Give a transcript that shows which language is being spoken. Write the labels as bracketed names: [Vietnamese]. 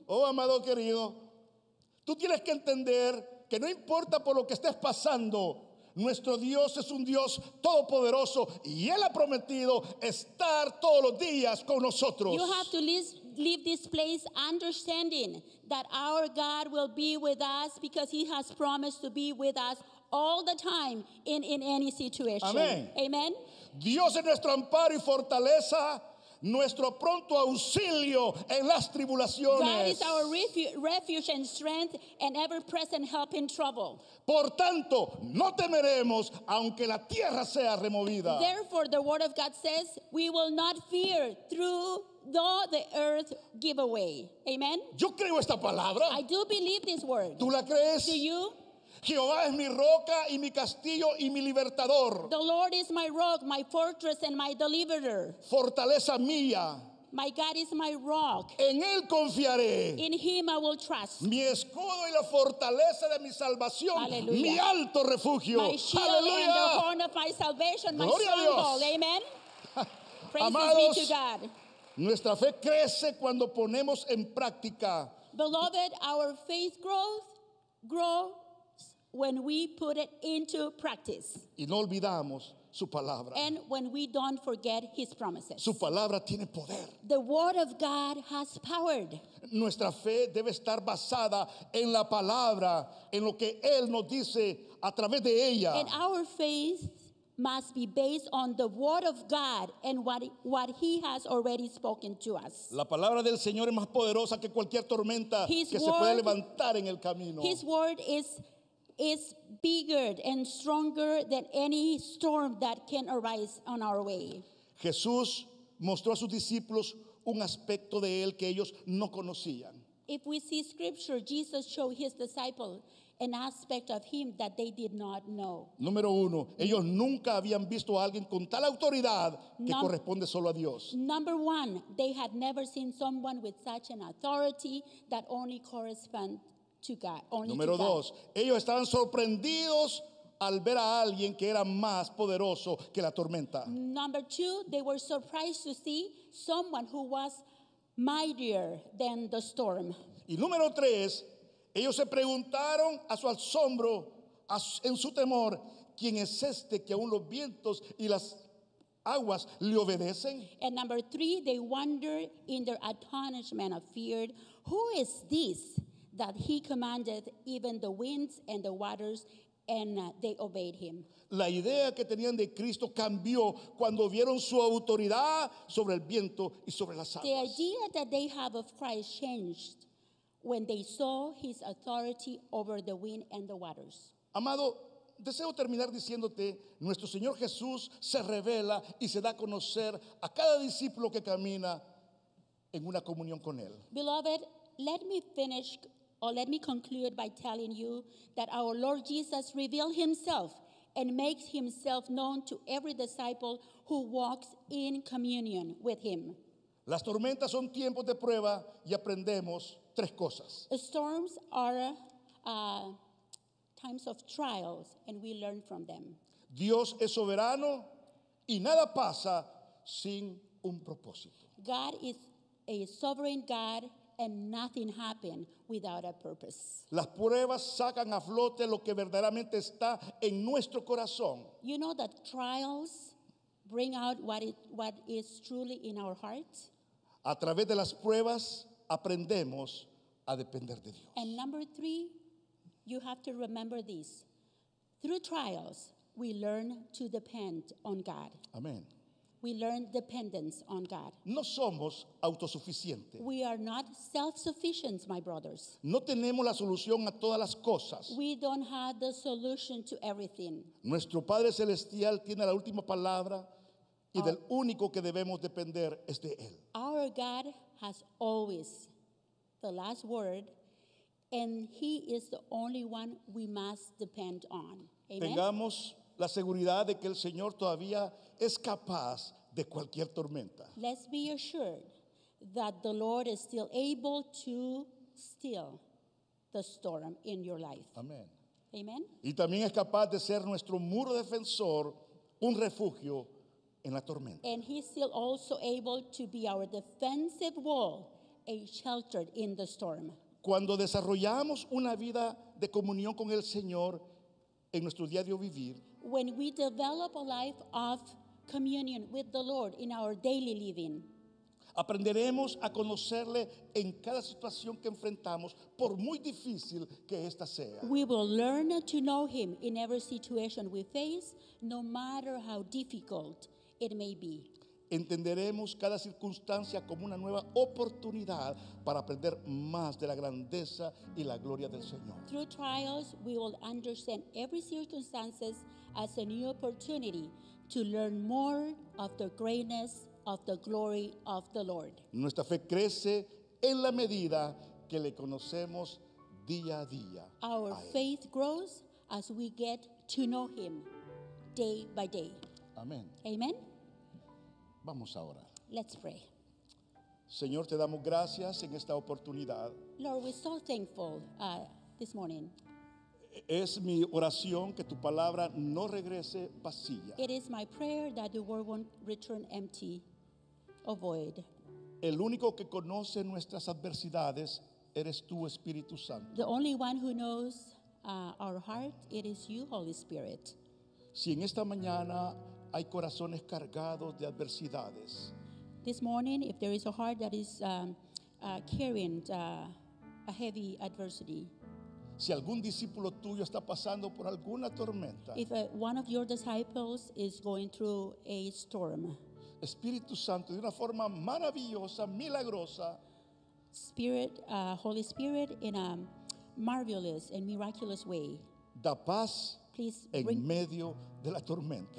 [Spanish] Oh, amado querido, tú tienes que entender que no importa por lo que estés pasando, nuestro Dios es un Dios todopoderoso y Él ha prometido estar todos los días con nosotros. [English] You have to leave this place understanding that our God will be with us because He has promised to be with us all the time in any situation. [Spanish] Amén. [English] Amen. [Spanish] Dios es nuestro amparo y fortaleza. Nuestro pronto auxilio en las tribulaciones. [English] God is our refuge and strength and ever-present help in trouble. [Spanish] Por tanto, no temeremos aunque la tierra sea removida. [English] Therefore, the word of God says, we will not fear though the earth give away. Amen? [Spanish] Yo creo esta palabra. [English] I do believe this word. [Spanish] ¿Tú la crees? [English] Do you? [Spanish] Jehová es mi roca y mi castillo y mi libertador. [English] The Lord is my rock, my fortress and my deliverer. [Spanish] Fortaleza mía. [English] My God is my rock. [Spanish] En él confiaré. [English] In him I will trust. [Spanish] Mi escudo y la fortaleza de mi salvación. Aleluya. Mi alto refugio. [English] My shield. [Spanish] Aleluya. [English] And the horn of my salvation. [Spanish] Gloria, [English] my stronghold. Amen. [Spanish] Amados, [English] be to God. [Spanish] Nuestra fe crece cuando ponemos en práctica. [English] Beloved, our faith grows when we put it into practice. [Spanish] Y no olvidamos su palabra. [English] And when we don't forget his promises. [Spanish] Su palabra tiene poder. [English] The word of God has power. [Spanish] Nuestra fe debe estar basada en la palabra, en lo que él nos dice a través de ella. [English] And our faith must be based on the word of God and what he has already spoken to us. [Spanish] La palabra del Señor es más poderosa que cualquier tormenta que se puede levantar en el camino. [English] His word is bigger and stronger than any storm that can arise on our way. [Spanish] Jesús mostró a sus discípulos un aspecto de él que ellos no conocían. [English] If we see scripture, Jesus showed his disciples an aspect of him that they did not know. [Spanish] Número uno, ellos nunca habían visto a alguien con tal autoridad que corresponde solo a Dios. [English] Number one, they had never seen someone with such an authority that only corresponds to God. [Spanish] Número dos, ellos estaban sorprendidos al ver a alguien que era más poderoso que la tormenta. [English] Number two, they were surprised to see someone who was mightier than the storm. [Spanish] Y número tres, ellos se preguntaron a su asombro, en su temor, ¿quién es este que aún los vientos y las aguas le obedecen? [English] And number three, they wondered in their astonishment of fear, who is this that he commanded even the winds and the waters and they obeyed him? [Spanish] La idea que tenían de Cristo cambió cuando vieron su autoridad sobre el viento y sobre las aguas. [English] The idea that they have of Christ changed when they saw his authority over the wind and the waters. [Spanish] Amado, deseo terminar diciéndote, nuestro Señor Jesús se revela y se da a conocer a cada discípulo que camina en una comunión con él. [English] Beloved, let me conclude by telling you that our Lord Jesus revealed himself and makes himself known to every disciple who walks in communion with him. [Spanish] Las tormentas son tiempos de prueba y aprendemos tres cosas. [English] Storms are times of trials and we learn from them. [Spanish] Dios es soberano y nada pasa sin un propósito. [English] God is a sovereign God and nothing happens without a purpose. [Spanish] Las pruebas sacan a flote lo que verdaderamente está en nuestro corazón. [English] You know that trials bring out what is truly in our heart. [Spanish] A través de las pruebas aprendemos a depender de Dios. [English] And number three, you have to remember this. Through trials, we learn to depend on God. Amen. We learn dependence on God. [Spanish] No somos autosuficientes. [English] We are not self-sufficient, my brothers. [Spanish] No tenemos la solución a todas las cosas. [English] We don't have the solution to everything. [Spanish] Nuestro Padre Celestial tiene la última palabra y del único que debemos depender es de Él. [English] Our God has always the last word, and he is the only one we must depend on. Amen. [Spanish] Tengamos la seguridad de que el Señor todavía es capaz de cualquier tormenta. [English] Let's be assured that the Lord is still able to still the storm in your life. Amen. Amen. [Spanish] Y también es capaz de ser nuestro muro defensor, un refugio en la tormenta. [English] And he's still also able to be our defensive wall, a shelter in the storm. [Spanish] Cuando desarrollamos una vida de comunión con el Señor en nuestro diario vivir, [English] when we develop a life of communion with the Lord in our daily living, [Spanish] aprenderemos a conocerle en cada situación que enfrentamos, por muy difícil que esta sea. [English] We will learn to know him in every situation we face, no matter how difficult it may be. [Spanish] entenderemos cada circunstancia como una nueva oportunidad para aprender más de la grandeza y la gloria del Señor. [English] Through trials, we will understand every circumstances as a new opportunity to learn more of the greatness of the glory of the Lord. [Spanish] Nuestra fe crece en la medida que le conocemos día a día. [English] Our faith grows as we get to know him day by day. [Spanish] Amén. [English] Amen. [Spanish] Vamos a orar. [English] Let's pray. [Spanish] Señor, te damos gracias en esta oportunidad. [English] Lord, we're so thankful this morning. [Spanish] Es mi oración que tu palabra no regrese vacía. [English] It is my prayer that the word won't return empty or void. [Spanish] El único que conoce nuestras adversidades eres tú, Espíritu Santo. [English] The only one who knows our heart, it is you, Holy Spirit. [Spanish] Si en esta mañana hay corazones cargados de adversidades, [English] this morning, if there is a heart that is carrying a heavy adversity, [Spanish] si algún discípulo tuyo está pasando por alguna tormenta, [English] if one of your disciples is going through a storm, [Spanish] Espíritu Santo, de una forma maravillosa, milagrosa, [English] Spirit, Holy Spirit, in a marvelous and miraculous way, [Spanish] da paz, [English] please, [Spanish] en [English] bring, [Spanish] medio de la tormenta.